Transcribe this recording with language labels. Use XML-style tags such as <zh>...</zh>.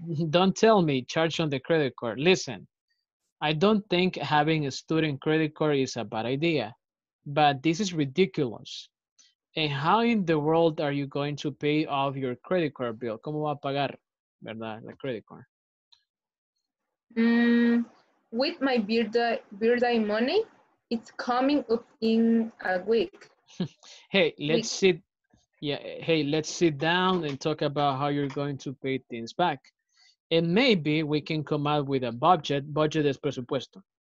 <en>Don't tell me, charge on the credit card. Listen, I don't think having a student credit card is a bad idea, but this is ridiculous. And how in the world are you going to pay off your credit card bill?</en> <es>¿Cómo va a pagar, verdad, la credit card?</es> <en>With my birthday money, it's coming up in a week. Hey, let's sit down and talk about how you're going to pay things back. And maybe we can come up with a budget. Budget</en> <es>es presupuesto.</es>